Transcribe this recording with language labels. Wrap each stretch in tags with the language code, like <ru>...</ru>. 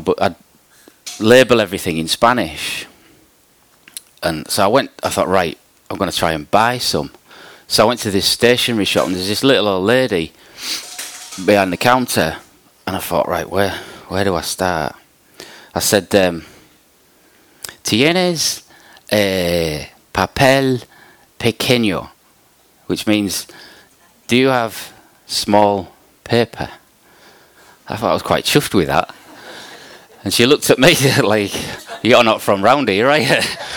<en>But I'd label everything in Spanish. And so I went, I thought, right, I'm going to try and buy some. So I went to this stationery shop, and there's this little old lady behind the counter. And I thought, right, where do I start? I said,</en> <es>¿Tienes papel pequeño?</es> <en>Which means, do you have small paper? I thought I was quite chuffed with that. And she looked at me like, you're not from round here, right?</en>